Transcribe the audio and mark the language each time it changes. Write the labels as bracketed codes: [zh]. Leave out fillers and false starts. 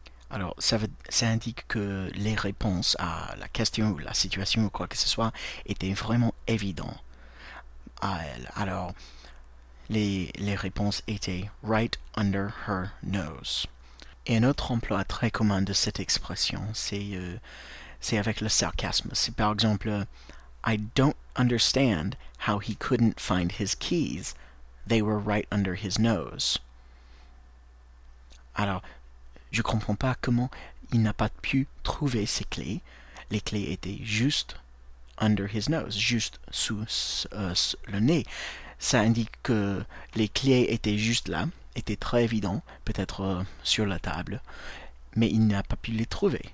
[fr] Alors, ça indique que les réponses à la question ou la situation ou quoi que ce soit étaient vraiment évidentes à elle. Alors, les réponses étaient [en] right under her nose. [fr] Et un autre emploi très commun de cette expression, c'est avec le sarcasme. C'est par exemple, [en] I don't understand how he couldn't find his keys. They were right under his nose. [fr] Alors, je comprends pas comment il n'a pas pu trouver ses clés. Les clés étaient juste [en] under his nose, [fr] juste sous le nez. Ça indique que les clés étaient juste là, étaient très évidents, peut-être sur la table, mais il n'a pas pu les trouver.